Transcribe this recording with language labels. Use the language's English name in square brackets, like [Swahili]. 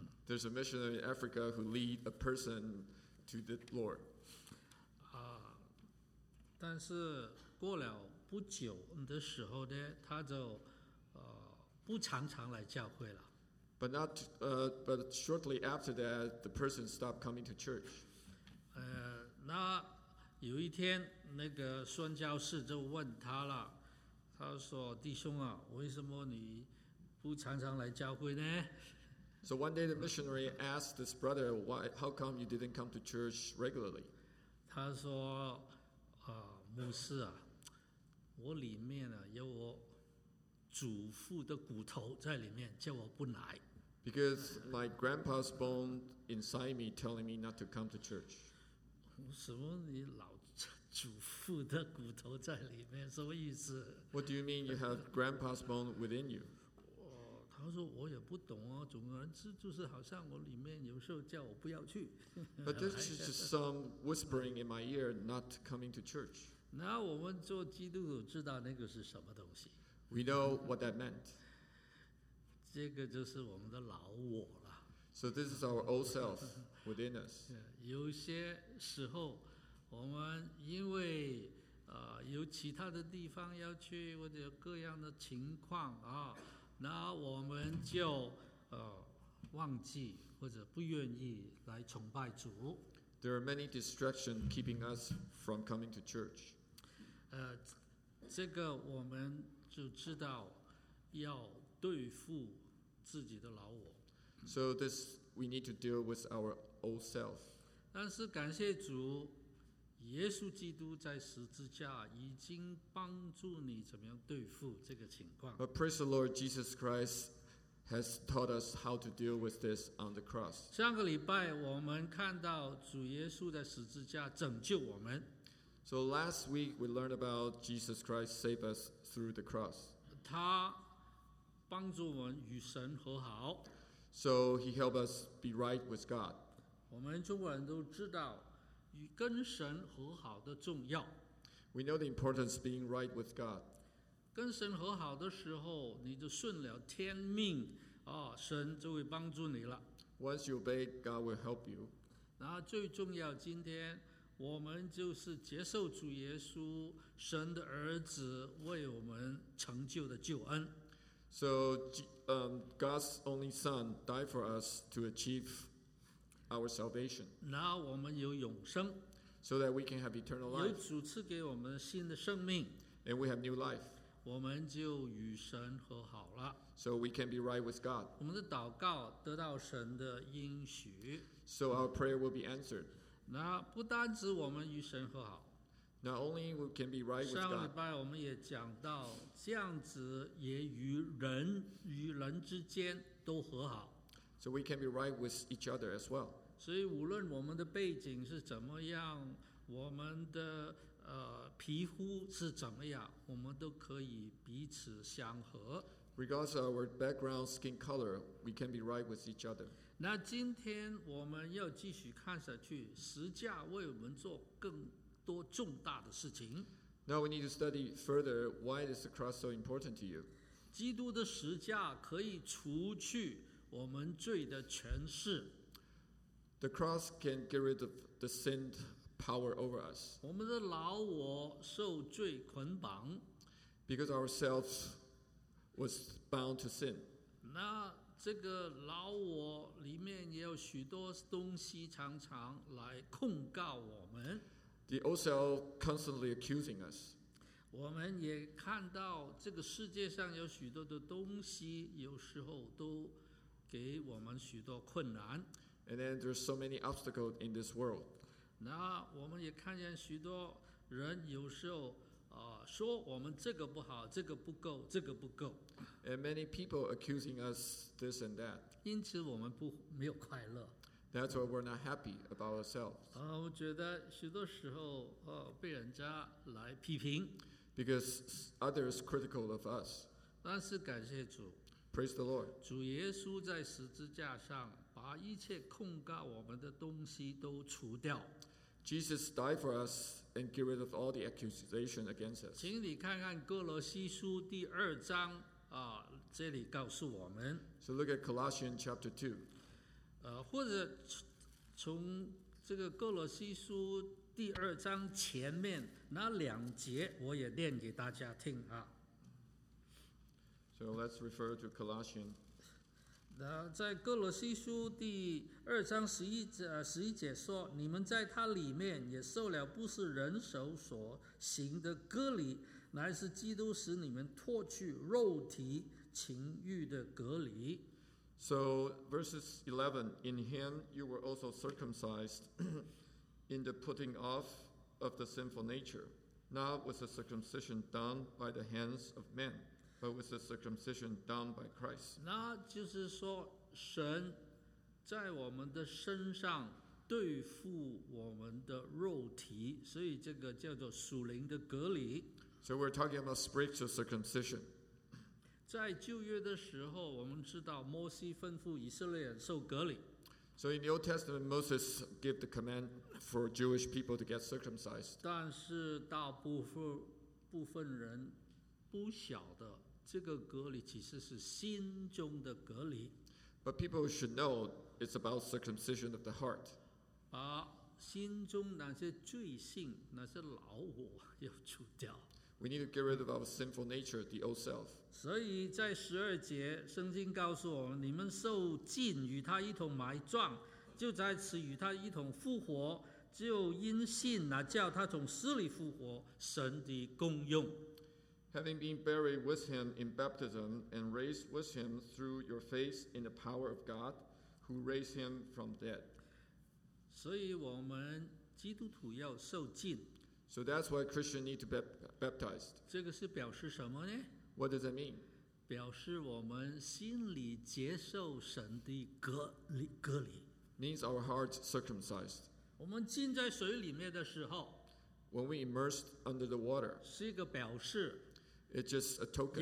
[English] There's a missionary in Africa who lead a person to the Lord. [Chinese] 但是过了不久的时候呢，他就不常常来教会了。 [English] But not, but shortly after that, the person stopped coming to church. [Chinese] 那有一天那个宣教士就问他了，他说弟兄啊，为什么你不常常来教会呢？ [English] So one day the missionary asked this brother, why, how come you didn't come to church regularly? [Chinese] 他说牧师啊，我里面啊有我祖父的骨头在里面，叫我不来。 [English] Because my grandpa's bone inside me telling me not to come to church. [Chinese] 什么？你老祖父的骨头在里面，什么意思 [English] ？What do you mean you have grandpa's bone within you？ [Chinese] 他说我也不懂哦。总而言之，就是好像我里面有时候叫我不要去。 [English] But this is just some whispering in my ear, not coming to church. [Chinese] 那我们做基督徒知道那个是什么东西 [English] ？We know what that meant. [Chinese] 这个就是我们的老我了。 [English] So this is our old self within us. [Chinese] 有些时候，我们因为有其他的地方要去，或者各样的情况啊，那我们就忘记或者不愿意来崇拜主。 [English] There are many distractions keeping us from coming to church. [Chinese] 这个我们就知道要对付自己的老我。 [English] So this, we need to deal with our old self. [Chinese] 但是感谢主，耶稣基督在十字架已经帮助你怎么样对付这个情况。 [English] But praise the Lord, Jesus Christ has taught us how to deal with this on the cross. [Chinese] 上个礼拜我们看到主耶稣在十字架拯救我们。 [English] So last week we learned about Jesus Christ save us through the cross. [Chinese] 他帮助我们与神和好。 [English] So he helped us be right with God. [Chinese] 我们中国人都知道与跟神和好的重要。 [English] We know the importance of being right with God. [Chinese] 跟神和好的时候，你就顺了天命，哦，神就会帮助你了。 [English] Once you obey, God will help you. [Chinese] 然后最重要，今天我们就是接受主耶稣，神的儿子为我们成就的救恩。 [English] So, God's only Son died for us to achieve our salvation. [Chinese] Now 我们有永生。 [English] So that we can have eternal life. [Chinese] 有主赐给我们新的生命。 [English] And we have new life. [Chinese] 我们就与神和好了。 [English] So we can be right with God. [Chinese] 我们的祷告得到神的应许。 [English] So our prayer will be answered. [Chinese] 那不单只我们与神和好。 [English] Not only we can be right with God. [Chinese] 上礼拜我们也讲到，这样子也与人之间都和好。 [English] So we can be right with each other as well. [Chinese] 所以无论我们的背景是怎么样，我们的皮肤是怎么样，我们都可以彼此相合。 [English] Regardless of our background, skin color, we can be right with each other. [Chinese] 那今天我们要继续看下去，十架为我们做更多重大的事情。 [English] Now we need to study further. Why is the cross so important to you? [Chinese] 基督的十架可以除去我们罪的权势。 [English] The cross can get rid of the sin power over us. [Chinese] 我们的老我受罪捆绑。 [English] Because ourselves was bound to sin. [Chinese] 那这个老我里面也有许多东西常常来控告我们。 [English] The old self constantly accusing us. [Chinese] 我们也看到这个世界上有许多的东西，有时候都给我们许多困难。 [English] And then there's so many obstacles in this world. [Chinese] 那我们也看见许多人有时候说我们这个不好，这个不够，这个不够。 [English] And many people accusing us this and that. [Chinese] 因此我们没有快乐。 [English] That's why we're not happy about ourselves. [Chinese] 我觉得许多时候被人家来批评。 [English] Because others critical of us. [Chinese] 但是感谢主。 [English] Praise the Lord. [Chinese] 主耶稣在十字架上把一切控告我们的东西都除掉。 [English] Jesus died for us and get rid of all the accusation against us. [Chinese] 请你看看哥罗西书第二章这里告诉我们。 [English] So look at Colossians chapter 2. [Chinese] 或者从这个哥罗西书第二章前面那两节我也念给大家听啊。 [English] So let's refer to Colossians. [Chinese] 那在哥罗西书第二章十一节说，你们在他里面也受了不是人手所行的割礼，乃是基督使你们脱去肉体情欲的割礼。 [English] So verses 11, in him you were also circumcised in the putting off of the sinful nature, not with the circumcision done by the hands of men, but with the circumcision done by Christ. [Chinese] 那就是说神在我们的身上对付我们的肉体，所以这个叫做属灵的隔离。 [English] So we're talking about spiritual circumcision. [Chinese] 在旧约的时候，我们知道摩西吩咐以色列人受隔离。 [English] So in the Old Testament, Moses gave the command for Jewish people to get circumcised. [Chinese] 但是大部分人不晓得这个隔离其实是心中的隔离。 [English] But people should know it's about circumcision of the heart. [Chinese] 把心中那些罪性、那些老我要除掉。 [English] We need to get rid of our sinful nature, the old self. [Chinese] 所以在十二节，圣经告诉我们：你们受尽与他一同埋葬，就在此与他一同复活，就因信那叫他从死里复活，神的功用。 [English] Having been buried with him in baptism and raised with him through your faith in the power of God, who raised him from dead. [Chinese] 所以我们基督徒要受浸。 [English] So that's why Christians need to be baptized. [Chinese] 这个是表示什么呢? [English] What does that mean? [Chinese] 表示我们心里接受神的隔离。 [English] Means our hearts circumcised. [Chinese] 我们浸在水里面的时候, [English] when we immersed under the water, [Chinese] 是一个表示, [English] it's just a token,